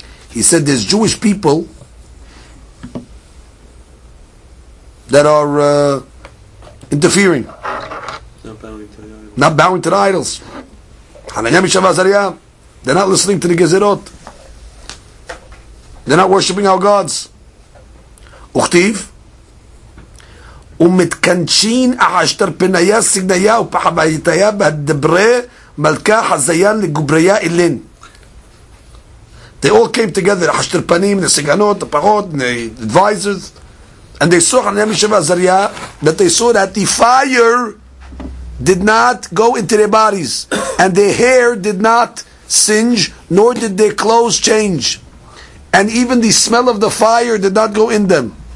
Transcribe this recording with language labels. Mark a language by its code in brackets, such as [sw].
[en] He said there's Jewish people that are interfering. Not bowing to the idols. They're not listening to the Gezerot. They're not worshipping our gods. Uchtiv. [arc] ומתכנשין אשתר פנייה סגנייה ופחבייתיה בדברי מלכה חזיין לגובריה אלין. [en] They all came together, אשתר פנים, נסגנות, הפחות, advisors, and they saw חנניה משבע עזריה, that they saw that the fire did not go into their bodies, and their hair did not singe, nor did their clothes change, and even the smell of the fire did not go in them.